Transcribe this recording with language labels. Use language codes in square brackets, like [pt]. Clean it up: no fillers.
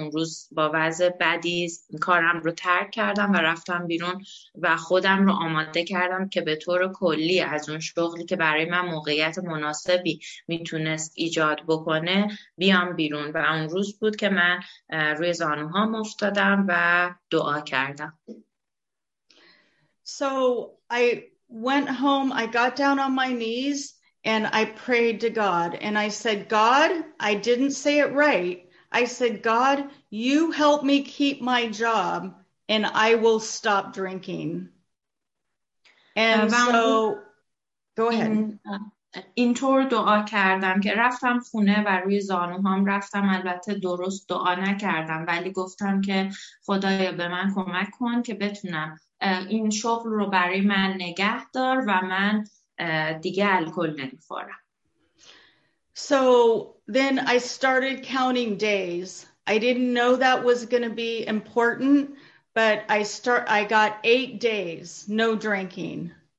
[fa] اون روز با وضع بدی کارم رو ترک کردم و رفتم بیرون و خودم رو آماده کردم که به طور کلی از اون شغلی که برای من موقعیت مناسبی میتونست ایجاد بکنه بیام بیرون. و اون روز بود که من روی زانوهام افتادم و دعا کردم. [en] So I went home, I got down on my knees, and I prayed to God. And I said, God, I didn't say it right. I said, God, you help me keep my job, and I will stop drinking. And so, go ahead. [fa] اینطور دعا کردم که رفتم خونه و روی زانوهام رفتم. البته درست دعا نکردم، ولی گفتم که خدایا به من کمک کن که بتونم این شغل رو برای من نگه دار و من دیگه الکل نمیخورم. [en] So then I started counting days. I didn't know that was going to be important, but I got 8 days no drinking.